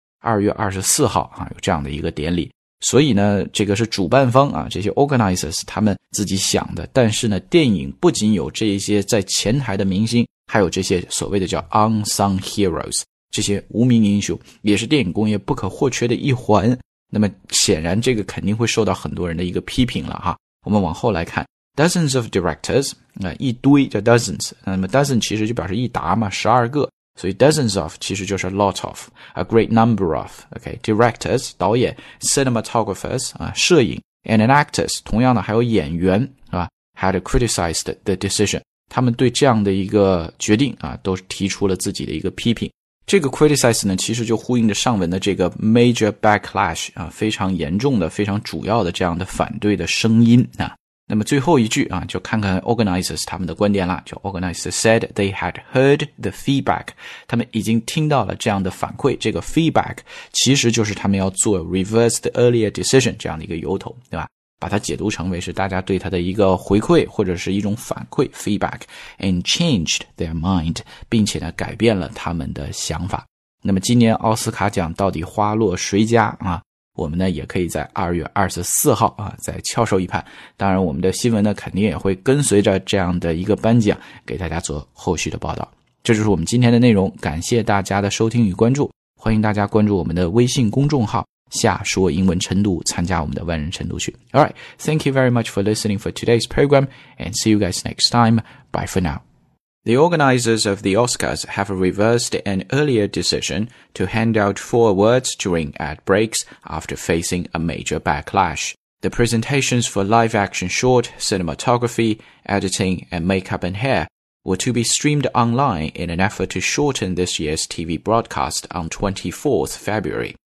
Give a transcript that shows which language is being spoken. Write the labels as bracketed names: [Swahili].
[Chinese] 2月24号有这样的一个典礼所以呢这个是主办方啊这些 organizers 他们自己想的但是呢电影不仅有这些在前台的明星还有这些所谓的叫 unsung heroes, 这些无名英雄也是电影工业不可或缺的一环。那么显然这个肯定会受到很多人的一个批评了哈。我们往后来看 , dozens of directors, 一堆叫 dozens, 那么 dozen 其实就表示一达嘛 ,12 个。 [English] 所以 dozens of 其实就是 lot of, a great number of, okay, directors, 导演 ,cinematographers, 摄影 ,and an actors, 同样的还有演员 ,had criticized the decision. [Chinese] 他们对这样的一个决定啊，都提出了自己的一个批评。这个 criticize 呢，其实就呼应着上文的这个 major backlash 啊，非常严重的、非常主要的这样的反对的声音啊。那么最后一句啊，就看看 organizers 他们的观点啦，就 organizers said they had heard the feedback, 他们已经听到了这样的反馈，这个 feedback 其实就是他们要做 reverse the earlier decision 这样的一个由头，对吧，把它解读成为是大家对他的一个回馈或者是一种反馈 feedback, and changed their mind, 并且呢改变了他们的想法。那么今年奥斯卡奖到底花落谁家啊，我们呢也可以在2月24号啊再翘首以盼。当然我们的新闻呢肯定也会跟随着这样的一个颁奖给大家做后续的报道。这就是我们今天的内容，感谢大家的收听与关注。欢迎大家关注我们的微信公众号下说英文晨读，参加我们的万人晨读群。 [English] Alright, thank you very much for listening for today's program and see you guys next time. Bye for now. The organizers of the Oscars have reversed an earlier decision to hand out 4 awards during ad breaks after facing a major backlash. The presentations for live action short, cinematography, editing and makeup and hair were to be streamed online in an effort to shorten this year's TV broadcast on 24th February.